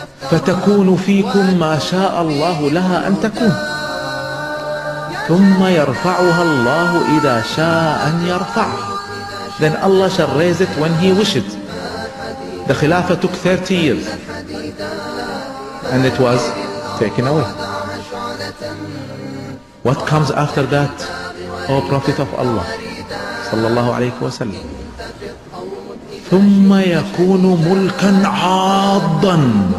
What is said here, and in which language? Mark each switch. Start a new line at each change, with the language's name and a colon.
Arabic: فتكون فيكم ما شاء الله لها أن تكون. ثم يرفعها الله إذا شاء أن يرفع.
English: Then Allah shall raise it when He wishes. The Khilafah took 30 years, and it was taken away. What comes after that, O Prophet of Allah?
Arabic: صلى الله عليه وسلم ثم يكون ملكا عاضا.